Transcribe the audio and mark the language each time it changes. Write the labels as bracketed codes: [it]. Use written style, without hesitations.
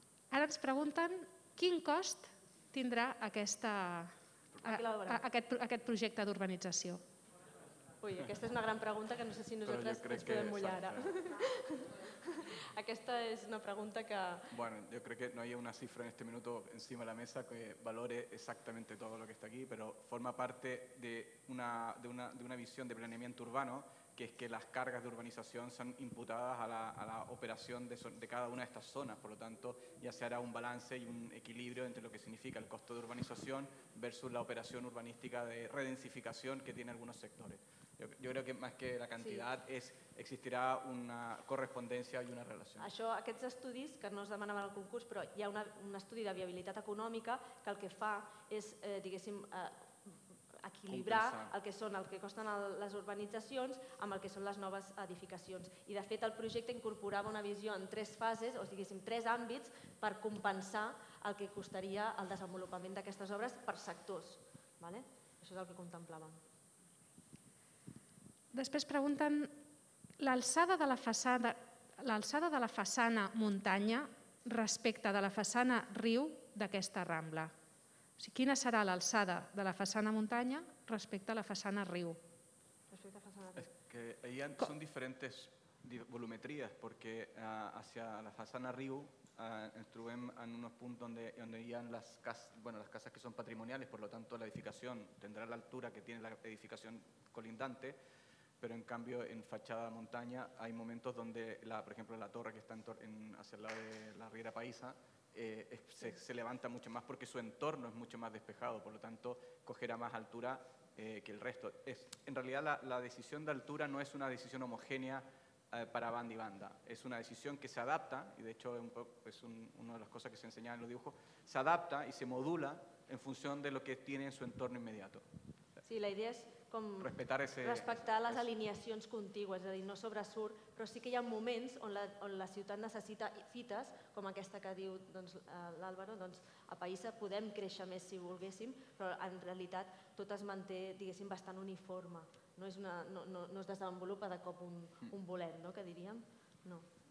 [ca] Ara ens pregunten quin cost tindrà aquesta, aquest projecte d'urbanització. Ui, aquesta és una gran pregunta que no sé si nosaltres ens podem mullar ara. Aquesta és una pregunta que... [es] Bueno, yo creo que no hay una cifra en este minuto encima de la mesa que valore exactamente todo lo que está aquí, pero forma parte de una visión de planeamiento urbano que es que las cargas de urbanización sean imputadas a la operación de cada una de estas zonas. Por lo tanto, ya se hará un balance y un equilibrio entre lo que significa el costo de urbanización versus la operación urbanística de redensificación que tiene algunos sectores. Yo creo que más que la cantidad, sí, es, existirá una correspondencia y una relación. [ca] Això, aquests estudis, que no es demanaven al concurs, però hi ha un estudi de viabilitat econòmica que el que fa és, diguéssim, equilibrar el que són, el que costen les urbanitzacions amb el que són les noves edificacions. I de fet el projecte incorporava una visió en tres fases, o diguéssim tres àmbits, per compensar el que costaria el desenvolupament d'aquestes obres per sectors. Vale? Això és el que contemplàvem. Després pregunten l'alçada de la façana, l'alçada de la façana muntanya respecte de la façana riu d'aquesta Rambla. O sigui, quina serà l'alçada de la façana muntanya respecte a la façana riu? Respecte a façana riu. Es que hi ha, són diferents volumetries, perquè hacia la façana riu ens trobem en un punt on hi ha les, bueno, les cases que són patrimonials, per tant, la edificació tindrà l'altura que té la edificació colindante. [es] Pero en cambio en fachada montaña hay momentos donde, la, por ejemplo, la torre que está hacia el lado de la Riera Paisa se levanta mucho más porque su entorno es mucho más despejado, por lo tanto cogerá más altura que el resto. En realidad la decisión de altura no es una decisión homogénea para banda y banda, es una decisión que se adapta, y de hecho una de las cosas que se enseñaba en los dibujos, se adapta y se modula en función de lo que tiene en su entorno inmediato. [ca] Sí, la idea es com respectar les alineacions contigües, és a dir, no sobresurt, però sí que hi ha moments on la ciutat necessita fites, com aquesta que diu doncs, l'Àlvaro, doncs, a Paisa podem créixer més si volguéssim, però en realitat tot es manté, diguéssim, bastant uniforme, no es desenvolupa de cop un bolet, no, que diríem, no.